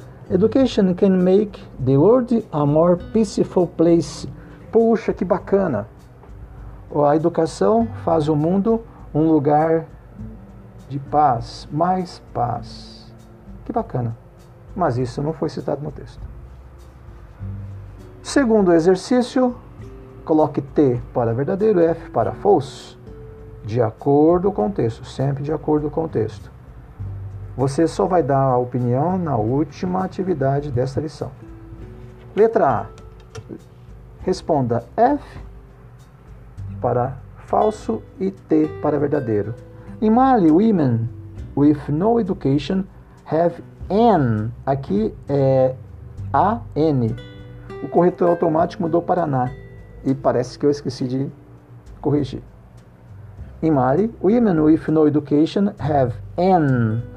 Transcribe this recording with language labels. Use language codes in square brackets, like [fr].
[en] Education can make the world a more peaceful place. [pt] Puxa, que bacana! A educação faz o mundo um lugar de paz, mais paz. Que bacana! Mas isso não foi citado no texto. Segundo exercício, coloque T para verdadeiro, F para falso, de acordo com o texto, sempre de acordo com o texto. Você só vai dar a opinião na última atividade desta lição. Letra A. Responda F para falso e T para verdadeiro. [en] Em Mali, women with no education have N. [pt] Aqui é A-N. O corretor automático mudou para Na. [en] E parece que eu esqueci de corrigir. Em Mali, women with no education have N.